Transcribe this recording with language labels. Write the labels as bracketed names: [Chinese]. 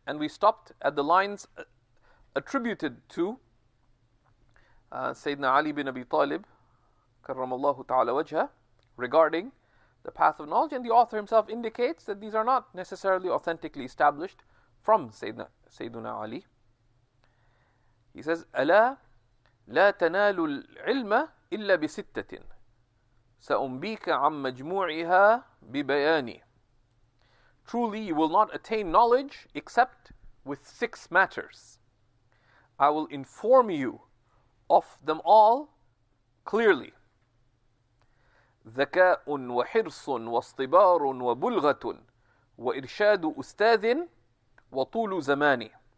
[English] And we stopped at the lines attributed to Sayyidina Ali bin Abi Talib, Karramallahu ta'ala wajha, regarding the path of knowledge, and the author himself indicates that these are not necessarily authentically established from Sayyiduna Ali. [Arabic] He says, أَلَا لَا تَنَالُ الْعِلْمَ إِلَّا بِسِتَّةٍ سَأُنْبِيكَ عَمْ مَجْمُوعِهَا بِبَيَانِ. [English] Truly, you will not attain knowledge except with six matters. I will inform you of them all clearly. [Arabic] ذَكَاءٌ وَحِرْصٌ وَاصْطِبَارٌ وَبُلْغَةٌ وَإِرْشَادُ أُسْتَاذٍ وَطُولُ زَمَانِ.